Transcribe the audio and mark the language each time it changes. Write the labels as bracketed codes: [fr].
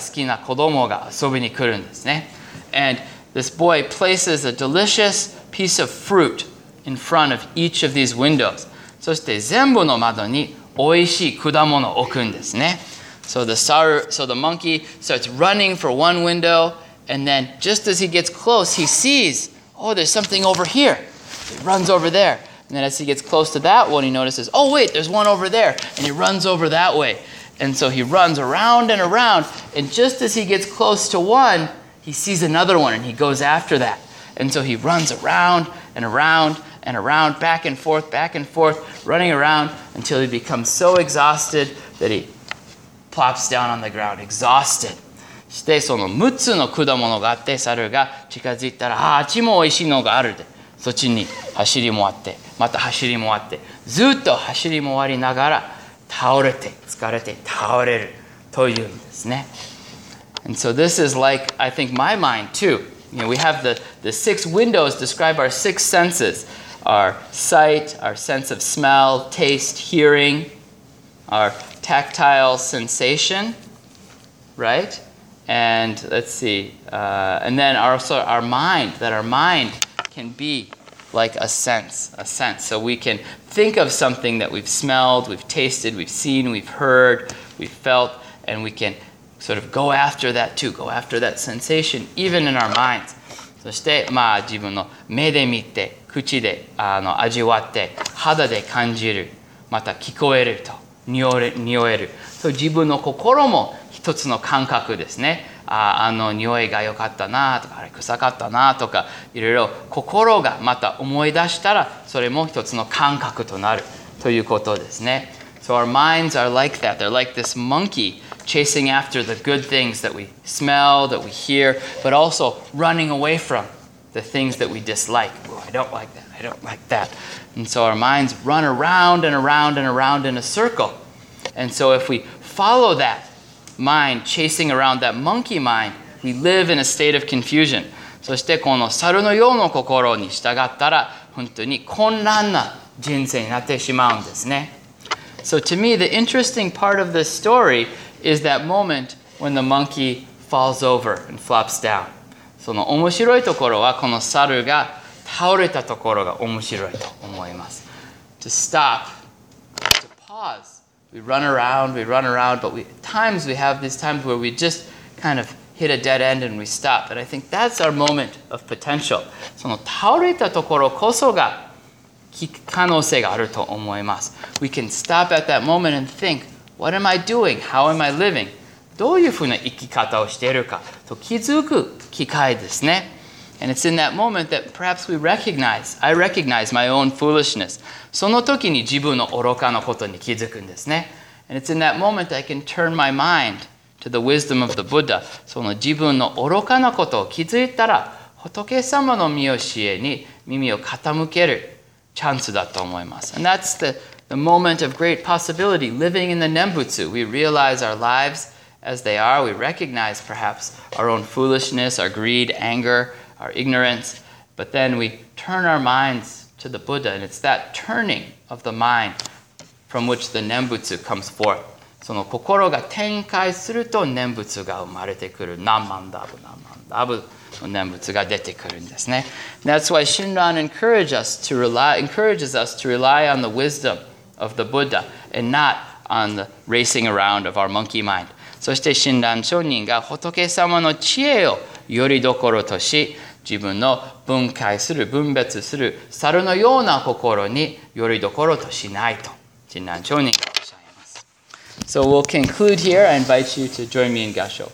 [ja] そしてこの猿が捕まえて、この6つの窓がある籠に入れて、で、いたずらが好きな子供が遊びに来るんですね。 [en] And this boy places a delicious piece of fruit in front of each of these windows. [ja] そして全部の窓に美味しい果物を置くんですね。 [en] So the monkey starts running for one window, and then just as he gets close, he sees, oh, there's something over here. He runs over there. And then as he gets close to that one, he notices, oh, wait, there's one over there. And he runs over that way. And so he runs around and around, and just as he gets close to one, he sees another one, and he goes after that. And so he runs around and around, and around, back and forth, running around until he becomes so exhausted that he plops down on the ground, exhausted. [ja] して、その6つの果物があって、猿が近づいたら、あっちも美味しいのがあるで、そっちに走り回って、また走り回って、ずっと走り回りながら、倒れて、疲れて、倒れるというんですね。 [en] And so this is like, I think, my mind too. You know, we have the six windows describe our six senses. Our sight, our sense of smell, taste, hearing, our tactile sensation, right? And let's see, and then also our mind, that our mind can be like a sense. So we can think of something that we've smelled, we've tasted, we've seen, we've heard, we've felt, and we can sort of go after that too, go after that sensation, even in our minds. [ja] そして、まあ、自分の目で見て、口で、味わって、肌で感じる、また聞こえると、匂える。そう、自分の心も一つの感覚ですね。あの匂いが良かったなとか、あれ臭かったなとか、いろいろ心がまた思い出したら、それも一つの感覚となるということですね。 [en] So our minds are like that. They're like this monkey chasing after the good things that we smell, that we hear, but also running away from the things that we dislike. Oh, I don't like that. And so our minds run around and around and around in a circle. And so if we follow that mind chasing around that monkey mind, we live in a state of confusion. [ja] そしてこの猿のような心に従ったら本当に混乱な人生になってしまうんですね。 [en] So to me, the interesting part of this story is that moment when the monkey falls over and flops down. [ja] その面白いところはこの猿が倒れたところが面白いと思います。 [en] To stop, to pause. We run around, but we have these times where we just kind of hit a dead end and we stop. And I think that's our moment of potential. [ja] その倒れたところこそが可能性があると思います。 [en] We can stop at that moment and think, what am I doing? How am I living? [ja] どういうふうな生き方をしているかと気づく機会ですね。 [en] And it's in that moment that perhaps I recognize my own foolishness. [ja] その時に自分の愚かなことに気づくんですね。 [en] And it's in that moment that I can turn my mind to the wisdom of the Buddha. [ja] その自分の愚かなことを気づいたら、仏様の御教えに耳を傾けるチャンスだと思います。 [en] And that's the moment of great possibility, living in the Nembutsu. We realize our lives as they are. We recognize perhaps our own foolishness, our greed, anger, our ignorance. But then we turn our minds to the Buddha. And it's that turning of the mind from which the Nembutsu comes forth. [ja] その心が展開すると Nembutsu が生まれてくる。南万ダブの Nembutsu が出てくるんですね。 [en] And that's why Shinran encourages us to rely on the wisdom of the Buddha and not on the racing around of our monkey mind. [ja] そして Shinran 上人が仏様の知恵をよりどころとし、自分の分解する、分別する猿のような心によりどころとしないと、親鸞聖人がおっしゃいます。 [en] So we'll conclude here. I invite you to join me in 合唱。